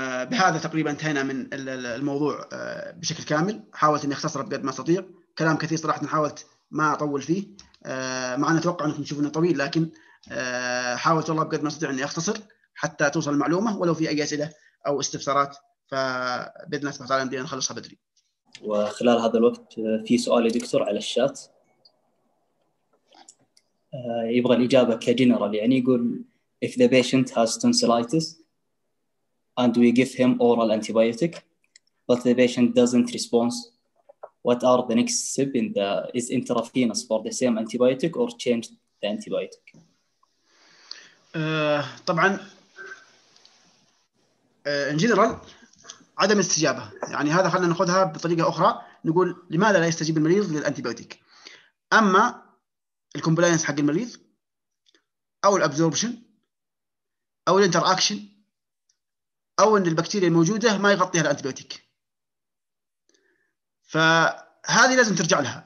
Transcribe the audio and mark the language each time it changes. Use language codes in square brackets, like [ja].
[ar] بهذا تقريبا انتهينا من الموضوع بشكل كامل، حاولت اني اختصره بقدر ما استطيع، كلام كثير صراحة حاولت ما اطول فيه، معنا اتوقع انكم تشوفونه طويل، لكن حاولت والله بقدر ما استطيع اني اختصر حتى توصل المعلومة، ولو في اي اسئلة او استفسارات فبإذن الله تعالى بدنا نخلصها بدري. وخلال هذا الوقت في سؤال يا دكتور على الشات يبغى الإجابة كجنرال، يعني يقول [en] if the patient has tonsillitis and we give him oral antibiotic but the patient doesn't respond, what are the next step in the is intravenous for the same antibiotic or change the antibiotic؟ [ar] طبعا [en] in general [ar] عدم استجابة، يعني هذا خلنا نأخذها بطريقة أخرى، نقول لماذا لا يستجيب المريض للأنتيبيوتيك؟ أما الكومبلاينس حق المريض أو الأبزوربشن أو الانتراكشن أو أن البكتيريا الموجودة ما يغطيها الأنتيبيوتيك، فهذه لازم ترجع لها.